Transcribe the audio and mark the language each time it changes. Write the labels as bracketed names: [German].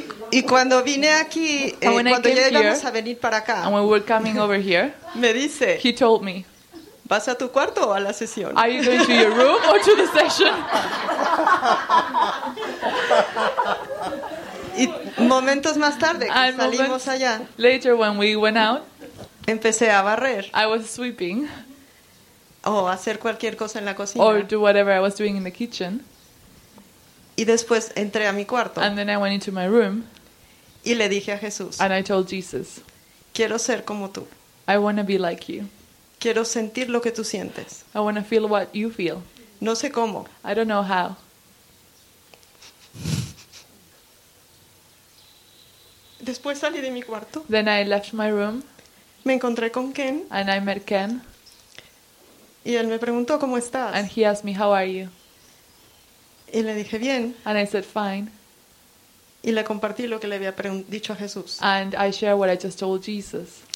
[Spanish] Y cuando vine aquí, cuando ya íbamos a venir para acá, [English] and when we were coming over here, [Spanish] me dice, [English] he told me, [Spanish] ¿vas a tu cuarto o a la sesión? [English] Are you going to your room or to the session? [Spanish] Y momentos más tarde, salimos allá. [English] Later, when we went out. [Spanish] Empecé a barrer. [English] I was sweeping. [Spanish] O hacer cualquier cosa en la cocina. [English] Or do whatever I was doing in the kitchen. [Spanish] Y después entré a mi cuarto. [English] And then I went into my room. [Spanish] Y le dije a Jesús. [English] And I told Jesus. [Spanish] Quiero ser como tú. [English] I want to be like you. [Spanish] Quiero sentir lo que tú sientes. [English] I want to feel what you feel. [Spanish] No sé cómo. [English] I don't know how. [Spanish] Después salí de mi cuarto. [English] Then I left my room. [Spanish] Me encontré con Ken. [English] And I met Ken. [Spanish] Y él me preguntó cómo estás. [English] And he asked me how are you. [Spanish] Y le dije bien. [English] And I said fine. [Spanish] Y le compartí lo que le había dicho a Jesús. [English] And I shared what I just told Jesus.